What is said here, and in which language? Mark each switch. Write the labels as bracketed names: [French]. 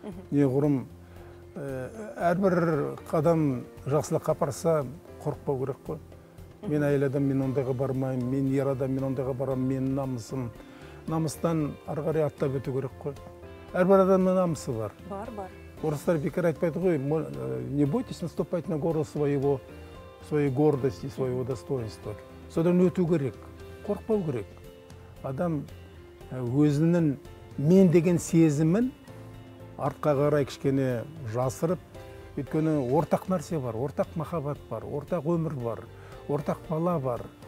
[Kazakh] Неғұрым, әрбір қадам жақсылық қапарса, қорқпау керек қой. Мен әйел адам, мен ондайға бармайым, мен ер адам, мен ондайға барамын, мен намысым. Намыстан арғарай аттап өту керек қой. Әрбір адамның намысы бар. Бар, бар. Орыстар бекер айтпайды ғой, [Russian] не бойтесь наступать на горло своей гордости, своего достоинства. [Kazakh] Содан өту керек, қорқпау керек. Адам өзінің мен деген сезімін артқа қарай кішкене жасырып, өйткені ортақ нәрсе бар, ортақ махаббат бар, ортақ өмір бар, ортақ бала бар.